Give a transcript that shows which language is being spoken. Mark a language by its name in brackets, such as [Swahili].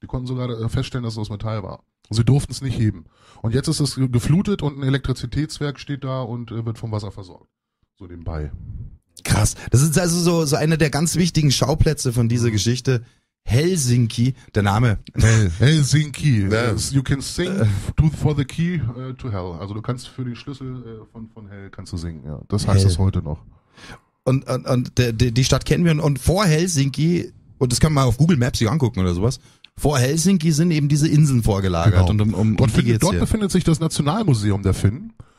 [German] Die konnten sogar feststellen, dass es aus Metall war. Sie durften es nicht heben. Und jetzt ist es geflutet und ein Elektrizitätswerk steht da und wird vom Wasser versorgt. So nebenbei. Krass. Das ist also so einer der ganz wichtigen Schauplätze von dieser Geschichte. Helsinki, der Name. Helsinki. Yes. [English] You can sing for the key to hell. [German] Also du kannst für den Schlüssel von Hell kannst du singen. Ja. Das heißt es heute noch. Und die Stadt kennen wir. Und vor Helsinki, und das kann man auf Google Maps sich angucken oder sowas, vor Helsinki sind eben diese Inseln vorgelagert. Genau. Dort befindet sich das Nationalmuseum der Finnen.